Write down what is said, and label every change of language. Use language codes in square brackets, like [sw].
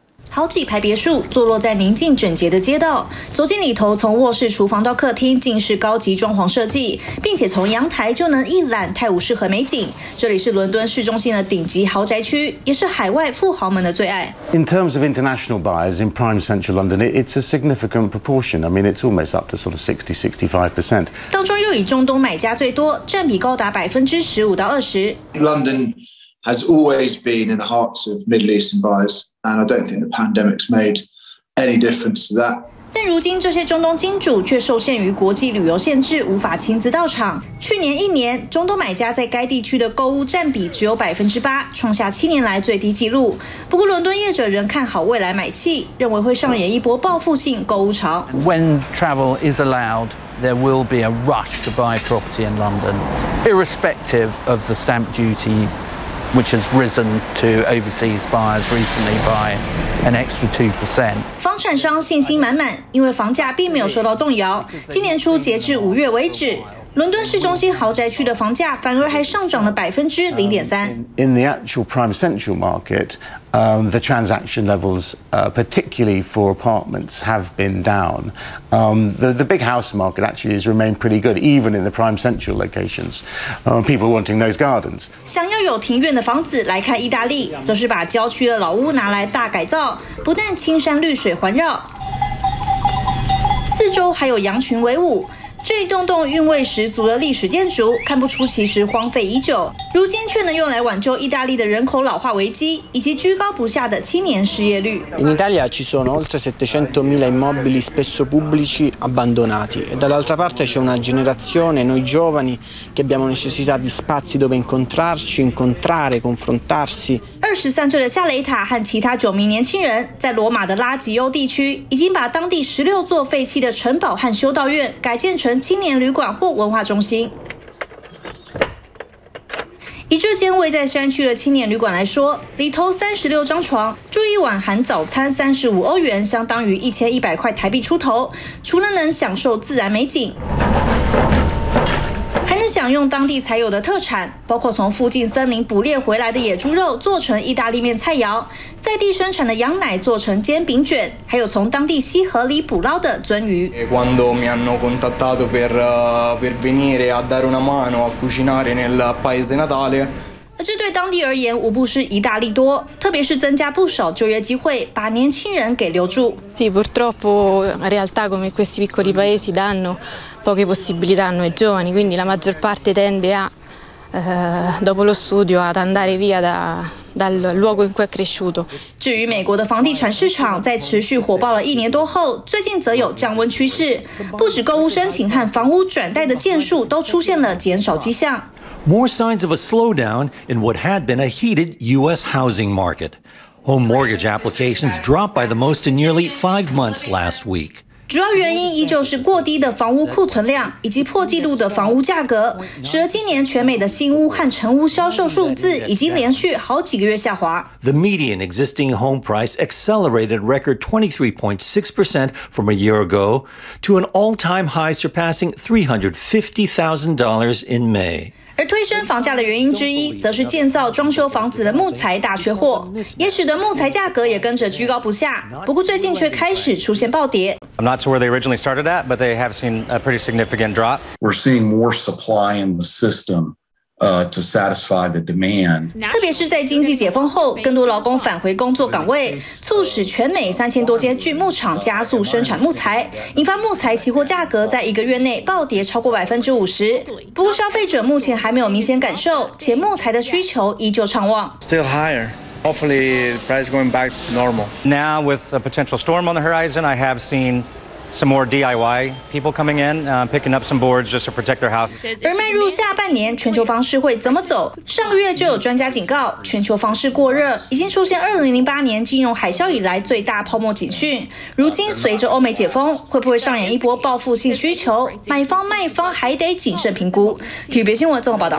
[zh] 好几排别墅坐落在宁静整洁的街道，走进里头，从卧室、厨房到客厅，尽是高级装潢设计，并且从阳台就能一览泰晤士河美景。这里是伦敦市中心的顶级豪宅区，也是海外富豪们的最爱。 [en] In terms of international buyers in prime central London, it's a significant proportion. I mean, it's almost up to sort of 60-65%. [zh] 当中又以中东买家最多，占比高达15%-20%。 [en] London has always been in the hearts of Middle Eastern buyers. And I don't think the pandemic's made any difference to that. [zh] 但如今这些中东金主却受限于国际旅游限制，无法亲自到场。去年一年，中东买家在该地区的购物占比只有8%，创下7年来最低纪录。不过，伦敦业者仍看好未来买气，认为会上演一波报复性购物潮。 [en] When travel is allowed, there will be a rush to buy property in London, irrespective of the stamp duty. Which has risen to overseas buyers recently by an extra 2%. [zh] 房产商信心满满，因为房价并没有受到动摇。今年初截至五月为止，伦敦市中心豪宅区的房价反而还上涨了0.3%。 [en] In the actual prime central market, the transaction levels, particularly for apartments, have been down. The big house market actually has remained pretty good, even in the prime central locations. People wanting those gardens. [zh] 想要有庭院的房子来看意大利，则是把郊区的老屋拿来大改造，不但青山绿水环绕，四周还有羊群为伍。这一栋栋韵味十足的历史建筑，看不出其实荒废已久，如今却能用来挽救意大利的人口老化危机以及居高不下的青年失业率。 [it] In Italia ci sono oltre 700.000 immobili spesso pubblici abbandonati, e dall'altra parte c'è una generazione, noi giovani, che abbiamo necessità di spazi dove incontrarci, incontrare, confrontarsi。 [zh] 23岁的夏雷塔和其他9名年轻人，在罗马的拉吉欧地区，已经把当地16座废弃的城堡和修道院改建成青年旅馆或文化中心。以这间位在山区的青年旅馆来说，里头36张床，住一晚含早餐35欧元，相当于1100块台币出头。除了能享受自然美景，还能很想用当地才有的特产，包括从附近森林捕猎回来的野猪肉做成意大利面菜肴，在地生产的羊奶做成煎饼卷，还有从当地溪河里捕捞的鳟鱼。 [it] Quando mi hanno contattato per venire a dare una mano a cucinare nel paese natale。 [zh] 这对当地而言无不是一大利多，特别是增加不少就业机会，把年轻人给留住。 [it] Sì, purtroppo realtà come questi piccoli paesi danno poche possibilità a noi giovani, quindi la maggior parte tende a dopo lo studio ad andare via dal luogo in cui è cresciuto。 [zh] 至于美国的房地产市场，在持续火爆了一年多后，最近则有降温趋势，不止购物申请和房屋转贷的件数都出现了减少迹象。 [en] More signs of a slowdown in what had been a heated U.S. housing market. Home mortgage applications dropped by the most in nearly 5 months last week. [zh] 主要原因依旧是过低的房屋库存量以及破纪录的房屋价格，使得今年全美的新屋和成屋销售数字已经连续好几个月下滑。 [en] The median existing home price accelerated a record 23.6% from a year ago to an all-time high surpassing $350,000 in May. [zh] 而推升房价的原因之一，则是建造装修房子的木材大缺货，也使得木材价格也跟着居高不下。不过最近却开始出现暴跌。 [en] I'm not to where they originally started at, but they have seen a pretty significant drop. We're seeing more supply in the system, to satisfy the demand. [zh] 特别是在经济解封后，更多劳工返回工作岗位，促使全美3000多间锯木厂加速生产木材，引发木材期货价格在一个月内暴跌超过50%。不过消费者目前还没有明显感受，且木材的需求依旧畅旺。 [en] Still higher. Hopefully, price going back normal. Now with a potential storm on the horizon, I have seen. Some more DIY people coming in, picking up some boards just to protect their houses. [zh] 而迈入下半年，全球房市会怎么走？上个月就有专家警告，全球房市过热已经出现2008年金融海啸以来最大泡沫警讯。如今随着欧美解封，会不会上演一波报复性需求？买方卖方还得谨慎评估。TVB 新闻综合报道。